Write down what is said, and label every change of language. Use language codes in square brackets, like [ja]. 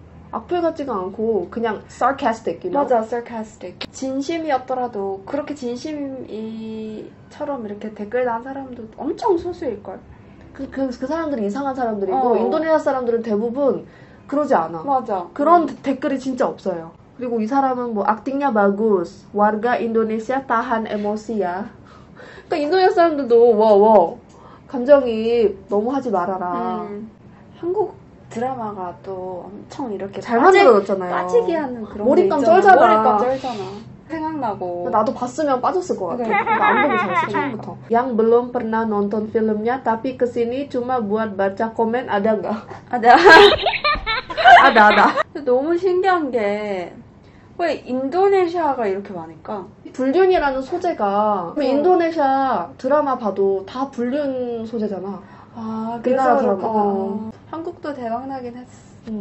[ko] 악플 같지가 않고 그냥 sarcastic. [en] You know? [ko] 맞아, sarcastic. 진심이었더라도 그렇게 진심이처럼 이렇게 댓글 난 사람도 엄청 소수일걸. 그 사람들은 이상한 사람들이고 인도네시아 사람들은 대부분 그러지 않아. 맞아. 그런 댓글이 진짜 없어요. 그리고 이 사람은 뭐 [id] acting-nya bagus, warga Indonesia tahan emosi-ya. [ko] 그러니까 인도네시아 사람들도 와 감정이 너무 하지 말아라. 한국 드라마가 또 엄청 이렇게 잘 만들어졌잖아요. 빠지게 하는 그런 몰입감 쩔잖아. 몰입감 쩔잖아. 생각나고. 나도 봤으면 빠졌을 것 같아. 그러니까. 안 보고 잤어 처음부터. [id] Yang belum pernah nonton filmnya, tapi kesini cuma buat baca komen ada nggak? Ada. [ko] 나. 너무 신기한 게 왜 인도네시아가 이렇게 많을까? 불륜이라는 소재가 인도네시아 드라마 봐도 다 불륜 소재잖아. 아, 그래서 그런가? 한국도 대박나긴 했어.